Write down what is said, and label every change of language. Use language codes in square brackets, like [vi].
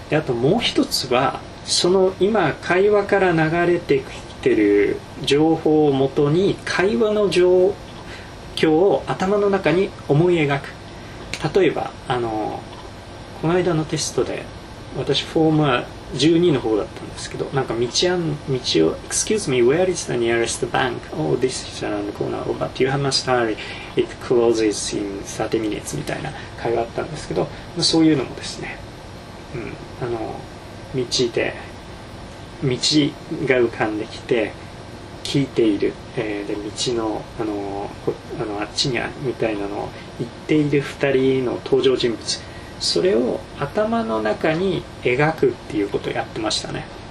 [ja] であともう一つは、その今会話から流れてきてる情報をもとに、会話の状況を頭の中に思い描く。例えばこの間のテストで、私フォームは12の方だったんですけど、なんか道を [en] Excuse me, where is the nearest bank? Oh, this is around the corner. Oh, but you have must hurry. It closes in 30 minutes [ja] みたいな会話あったんですけど、そういうのもですね、道が浮かんできて聞いている、で道の、あっちにあるみたいなのを言っている2人の登場人物、それを頭の中に描くっていうことをやってましたね。